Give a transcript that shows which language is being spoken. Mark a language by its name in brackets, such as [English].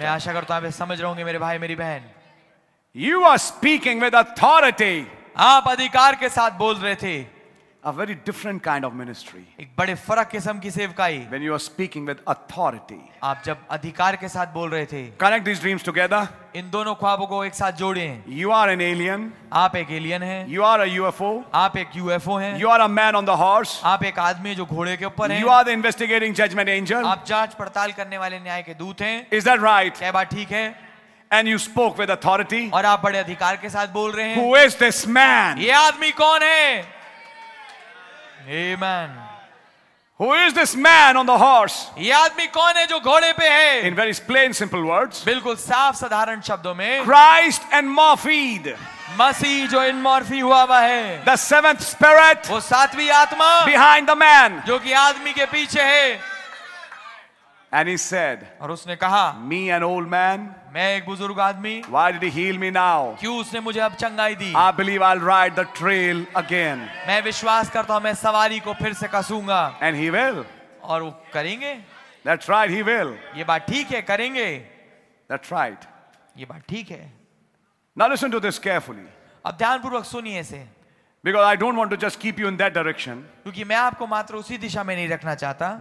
[Hindi] मैं आशा करता हूँ आप समझ रहे होंगे मेरे भाई मेरी बहन. [English] You are speaking with authority. [Hindi] आप अधिकार के साथ बोल रहे थे. [English] A very different kind of ministry. [Hindi] एक बड़े फर्क किस्म की सेवकाई. [English] When you are speaking with authority. [Hindi] आप जब अधिकार के साथ बोल रहे थे. [English] Connect these dreams together. [Hindi] इन दोनों ख्वाबों को एक साथ जोड़ें. [English] You are an alien. [Hindi] आप एक एलियन हैं. [English] You are a UFO. [Hindi] आप एक UFO हैं. [English] You are a man on the horse. [Hindi] आप एक आदमी जो घोड़े के ऊपर हैं. [English] You are the investigating judgment angel. [Hindi] आप जांच पड़ताल करने वाले न्याय के दूत हैं. [English] Is that right? [Hindi] क्या बात ठीक है? [English] And you spoke with authority. [Hindi] और आप बड़े अधिकार के साथ बोल रहे हैं. [English] Who is this man? [Hindi] ये आदमी कौन है? Amen. [English] Who is this man on the horse? [Hindi] ये आदमी कौन है जो घोड़े पे है? [English] In very plain, simple words. [Hindi] बिल्कुल साफ साधारण शब्दों में. [English] Christ and morphed. [Hindi] मसीह जो इन मॉर्फी हुआ वह है. [English] The seventh spirit. [Hindi] वो सातवीं आत्मा. [English] Behind the man. [Hindi] जो कि आदमी के पीछे है. [English] And he said, [Hindi] और उसने कहा, [English] me an old man, [Hindi] मैं एक बुजुर्ग आदमी, [English] why did he heal me now? [Hindi] क्यों उसने मुझे अब चंगाई दी? [English] I believe I'll ride the trail again. [Hindi] मैं विश्वास करता हूँ मैं सवारी को फिर से कसूंगा. [English] And he will. [Hindi] और वो करेंगे. [English] That's right, he will. [Hindi] ये बात ठीक है करेंगे. [English] That's right. [Hindi] ये बात ठीक है. [English] Now listen to this carefully. [Hindi] अब ध्यानपूर्वक सुनिए इसे. [English] Because I don't want to just keep you in that direction. [Hindi] क्योंकि मैं आपको मात्र उसी दिशा में नहीं रखना चाहता.